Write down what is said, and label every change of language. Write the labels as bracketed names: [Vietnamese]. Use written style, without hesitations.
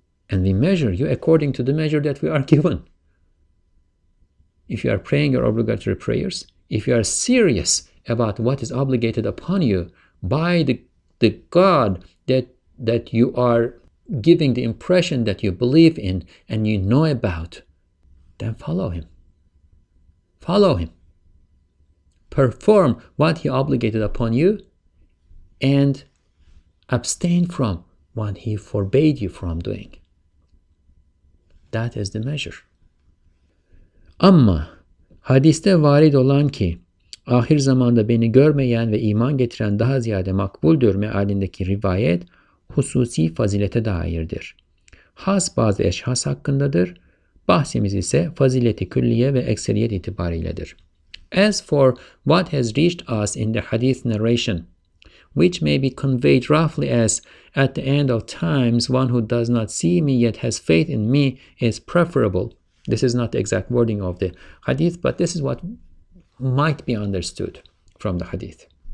[English] And we measure you according to the measure that we are given. If you are praying your obligatory prayers, if you are serious about what is obligated upon you by the God that you are giving the impression that you believe in and you know about, then follow him. Follow him. Perform what he obligated upon you and abstain from what he forbade you from doing. That is the measure. [Turkish] Ama hadiste varid olan ki ahir zamanda beni görmeyen ve iman getiren daha ziyade makbuldür mealindeki rivayet hususi fazilete dairdir. Has bazı eşhas hakkındadır. Bahsimiz ise fazileti külliye ve ekseriyet itibariyledir. [English] As for what has reached us in the hadith narration, which may be conveyed roughly as at the end of times, one who does not see me yet has faith in me is preferable. This is not the exact wording of the hadith, but this is what might be understood from the hadith.